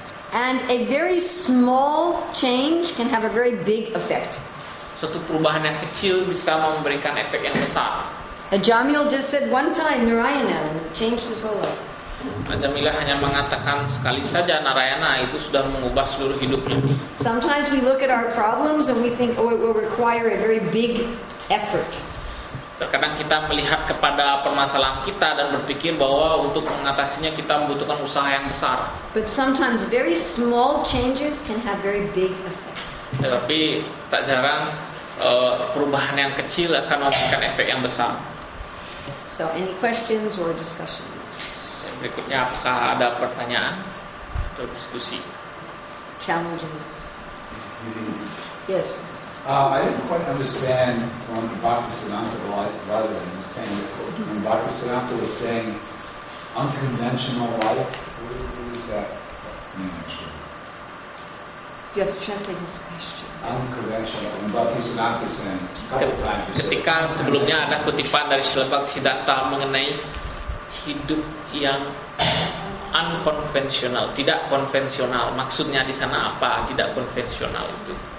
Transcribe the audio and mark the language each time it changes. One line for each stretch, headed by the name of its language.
English: And a very small change can have a very big effect.
Indonesian: Suatu perubahan yang kecil bisa memberikan efek yang besar.
English: Jamil just said one time Narayana changed his whole life.
Indonesian: Jamila hanya mengatakan sekali saja Narayana itu sudah mengubah seluruh hidupnya.
English: Sometimes we look at our problems and we think, oh, it will require a very big effort.
Indonesian: Terkadang kita melihat kepada permasalahan kita dan berpikir bahwa untuk mengatasinya kita membutuhkan usaha yang besar.
English: But sometimes very small changes can have very big effects.
Indonesian: Tetapi tak jarang perubahan yang kecil akan memberikan efek yang besar.
English: So any questions or discussion?
Indonesian: Berikutnya, apakah ada pertanyaan atau diskusi?
English: Challenges. Yes. I didn't quite understand when Bhaktisiddhanta Bhagavad understand your quote. When Bhaktisiddhanta was saying unconventional life, what is that mean actually? You have to translate his question. Unconventional. When Bhaktisiddhanta was saying
Indonesian: ketika sebelumnya ada kutipan dari Srila Bhaktisiddhanta mengenai hidup yang unconventional, tidak konvensional. Maksudnya di sana apa? Tidak konvensional itu.